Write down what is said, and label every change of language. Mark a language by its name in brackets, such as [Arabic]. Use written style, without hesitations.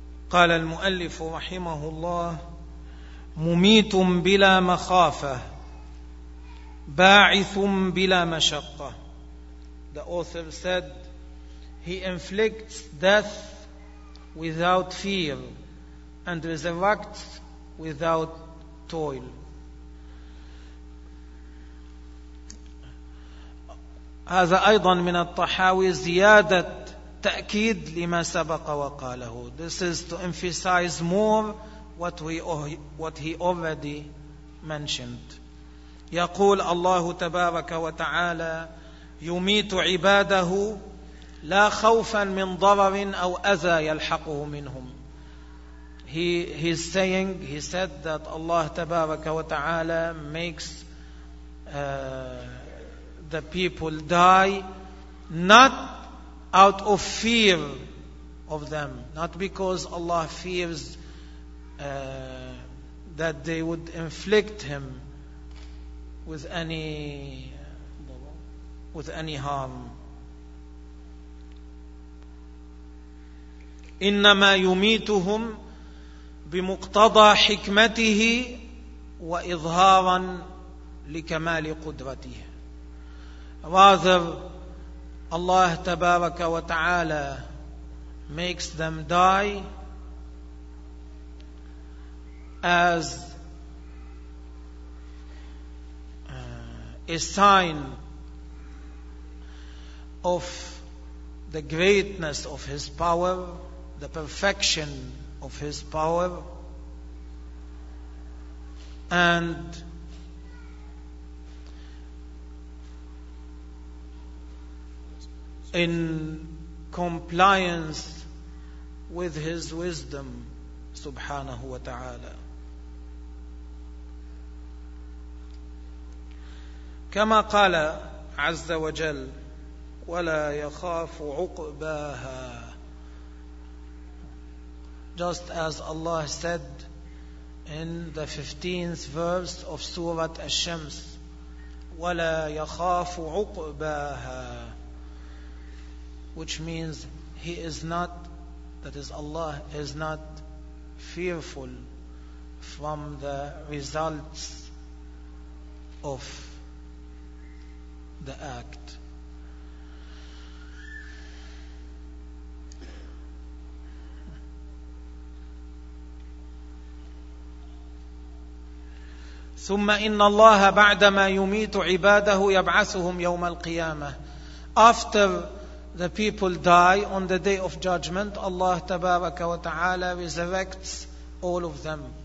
[Arabic] قال المؤلف رحمه الله مميت بلا مخافة باعث بلا مشقة. [English] The author said, he inflicts death without fear and resurrects without toil. [Arabic] هذا أيضا من الطحاوي زيادة تأكيد لما سبق وقاله. [English] This is to emphasize more what he already mentioned. [Arabic] يقول الله تبارك وتعالى يميت عباده لا خوفا من ضرر أو أذى يلحقه منهم. [English] He said that Allah [Arabic] Tabaraka wa Ta'ala [English] makes the people die not out of fear of them, not because Allah fears that they would inflict him with any harm. [Arabic] إنما يميتهم بمقتضى حكمته وإظهارا لكمال قدرته. [English] Rather, Allah [Arabic] تبارك وتعالى [English] makes them die as a sign of the greatness of His power, the perfection of His power, and in compliance with His wisdom, [Arabic] subhanahu wa ta'ala. كما قال عز وجل ولا يخاف عقباها. [English] Just as Allah said in the 15th verse of Surah Ash-Shams, [Arabic] وَلَا يَخَافُ عُقْبَاهَا, [English] which means He is not, that is Allah, is not fearful from the results of the act. [Arabic] ثم إن الله بعدما يميت عباده يبعثهم يوم القيامة. [English] After the people die on the day of judgment, Allah [Arabic] تبارك وتعالى [English] resurrects all of them.